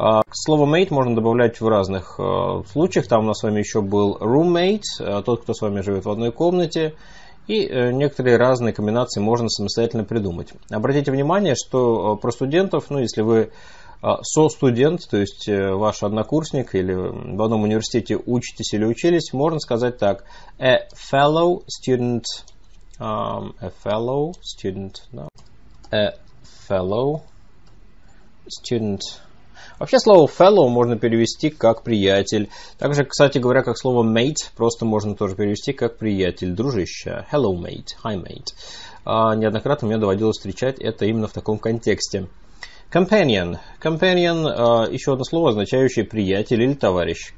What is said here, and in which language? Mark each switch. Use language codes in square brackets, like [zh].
[ru] Слово mate можно добавлять в разных случаях. Там у нас с вами еще был roommate, тот, кто с вами живет в одной комнате. И некоторые разные комбинации можно самостоятельно придумать. Обратите внимание, что про студентов, ну, если вы со-студент, то есть ваш однокурсник или в одном университете учитесь или учились, можно сказать так. [en] A fellow student. A fellow student. No. A fellow student. [ru] Вообще слово fellow можно перевести как приятель. Также, кстати говоря, как слово mate просто можно тоже перевести как приятель, дружище. [en] Hello mate, hi mate. [ru] Неоднократно мне доводилось встречать это именно в таком контексте. [en] Companion. [ru] Companion – еще одно слово, означающее приятель или товарищ.